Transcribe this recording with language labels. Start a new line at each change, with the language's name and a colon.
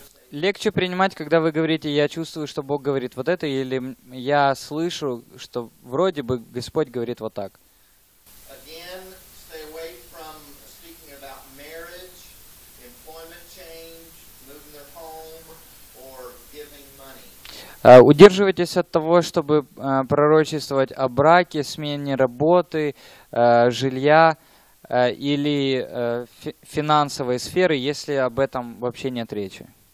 Russian: Легче принимать, когда вы говорите, я чувствую, что Бог говорит вот это, или я слышу, что вроде бы Господь говорит вот так.
English: Again, stay away from speaking about marriage, employment change, moving their home, or giving money.
Russian: Удерживайтесь от того, чтобы пророчествовать о браке, смене работы, жилья или финансовой сферы, если об этом вообще нет речи.